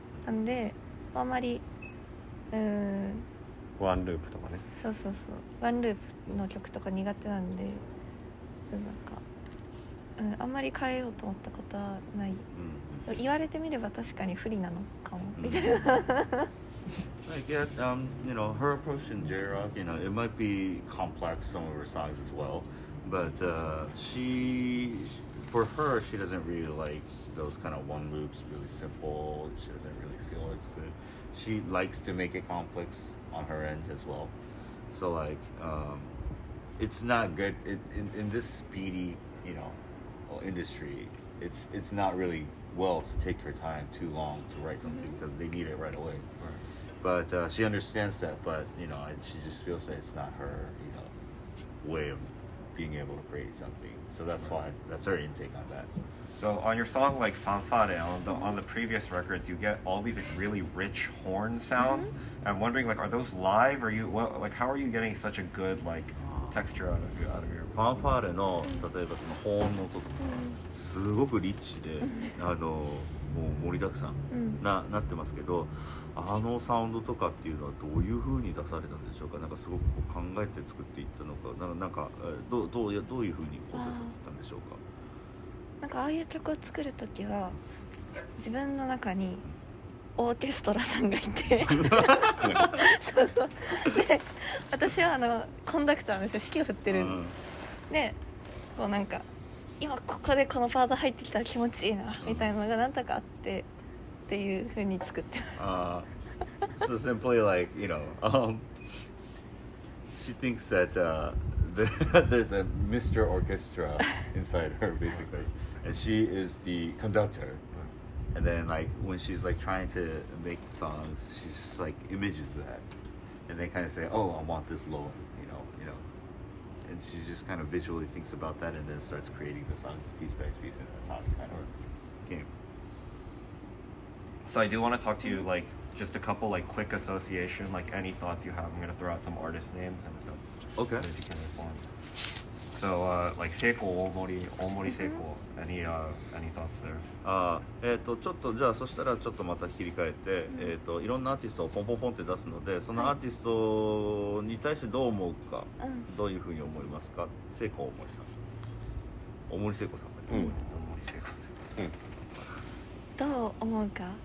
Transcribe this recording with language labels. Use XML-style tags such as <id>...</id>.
<ja>なんであんまりワンループとかね、そうそうそう、ワンループの曲とか苦手なんで、そうなんか、うん、あんまり変えようと思ったことはない、うん、言われてみれば確かに不利なのかもみたいな、うん</ja> <en>Like, yeah, you know, her approach in J-Rock, you know, it might be complex, some of her songs as well, but for her, she doesn't really like those kind of one loops, really simple, she doesn't really feel it's good. She likes to make it complex on her end as well. So, like, it's not good, in this speedy, you know, industry, it's not really well to take her time too long to write something because they need it right away. Right. But she understands that, but you know, she just feels that it's not her, you know, way of being able to create something. So that's why, that's her intake on that. So on your song like Fanfare, on the previous records, you get all these like, really rich horn sounds. Mm-hmm. I'm wondering, like, are those live? Are you, well, like, how are you getting such a good, like, texture out of your</en> <ja>Fanfare の例えばその horn の音がすごくリッチで、あの、もう盛りだくさんなってますけど、あのサウンドとかっていうのはどういう風に出されたんでしょうか。なんかすごくこう考えて作っていったのか、なんかどういう風に構成されてたんでしょうか。なんかああいう曲を作るときは自分の中にオーケストラさんがいてそうそう、で私はあのコンダクターの人、指揮を振ってるで、こうなんか今ここでこのパート入ってきたら気持ちいいなみたいなのが何とかあってっていう風に作ってます。</ja> <en>So simply like, you know, she thinks that there's a Mr. Orchestra inside her basically, and she is the conductor. And then like when she's like trying to make songs, she just like images that, and they kind of say, oh, I want this low, you know. And she just kind of visually thinks about that and then starts creating the songs piece by piece, and that's how it kind of came. So I do want to talk to you, like, just a couple, like, quick association, like, any thoughts you have. I'm going to throw out some artist names, and if that's okay. If you can respond. So, like, Seiko Omori, Omori Seiko, any thoughts there?</en> <ja>ちょっと、じゃあ、そしたらちょっとまた切り替えて、いろんなアーティストをポンポンポンって出すので、そのアーティストに対してどう思うか、どういうふうに思いますか、セイコ大森さん。大森セイコさんが、大森セイコさん。どう思うか、</ja>